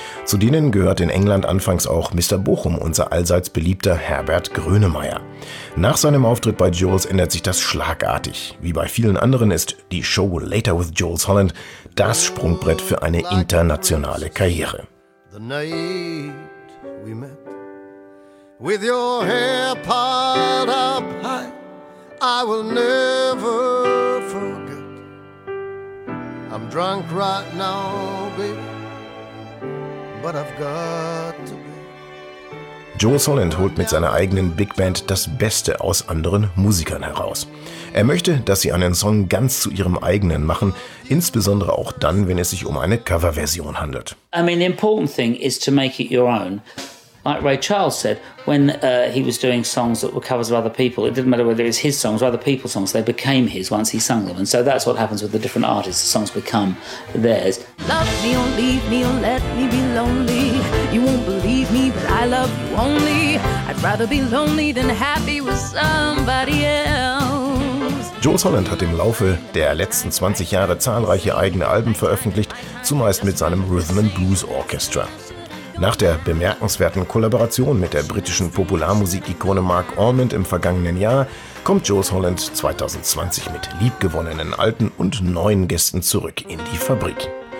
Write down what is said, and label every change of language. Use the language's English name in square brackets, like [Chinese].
[German] Zu denen gehört in England anfangs auch Mr. Bochum, unser allseits beliebter Herbert Grönemeyer. Nach seinem Auftritt bei Jules ändert sich das schlagartig. Wie bei vielen anderen ist die Show Later with Jules Holland das Sprungbrett für eine internationale Karriere. [English] The night we met, with your hair piled up high, I will never forget. I'm drunk right now, baby, but I've got to be. [German] Jules Holland holt mit seiner eigenen Big Band das Beste aus anderen Musikern heraus. Er möchte, dass sie einen Song ganz zu ihrem eigenen machen, insbesondere auch dann, wenn es sich um eine Coverversion handelt. [English] I mean, the important thing is to make it your own. Like Ray Charles said, when he was doing songs that were covers of other people, it didn't matter whether it was his songs or other people's songs, they became his once he sung them. And so that's what happens with the different artists. The songs become theirs. Love me or leave me or let me be lonely. You won't believe me, but I love you only. I'd rather be lonely than happy with somebody else. [German] Jules Holland hat im Laufe der letzten 20 Jahre zahlreiche eigene Alben veröffentlicht, zumeist mit seinem Rhythm and Blues Orchestra. Nach der bemerkenswerten Kollaboration mit der britischen Popularmusik-Ikone Mark Almond im vergangenen Jahr kommt Jules Holland 2020 mit liebgewonnenen alten und neuen Gästen zurück in die Fabrik.